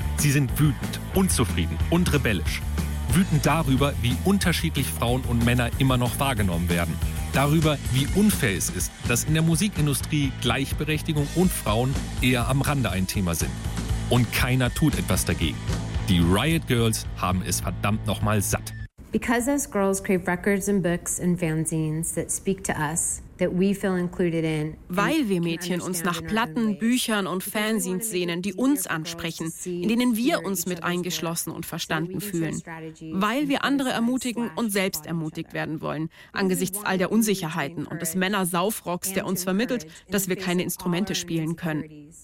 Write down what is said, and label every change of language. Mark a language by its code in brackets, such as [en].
[de] Sie sind wütend, unzufrieden und rebellisch. Wütend darüber, wie unterschiedlich Frauen und Männer immer noch wahrgenommen werden. Darüber, wie unfair es ist, dass in der Musikindustrie Gleichberechtigung und Frauen eher am Rande ein Thema sind. Und keiner tut etwas dagegen. Die Riot Girls haben es verdammt nochmal satt. [en] Because us girls crave records and books and fanzines that speak to us, that we feel included in. [de] Weil wir Mädchen uns nach Platten, Büchern und Fanzines sehnen, die uns ansprechen, in denen wir uns mit eingeschlossen und verstanden fühlen. Weil wir andere ermutigen und selbst ermutigt werden wollen, angesichts all der Unsicherheiten und des Männer-Saufrocks, der uns vermittelt, dass wir keine Instrumente spielen können.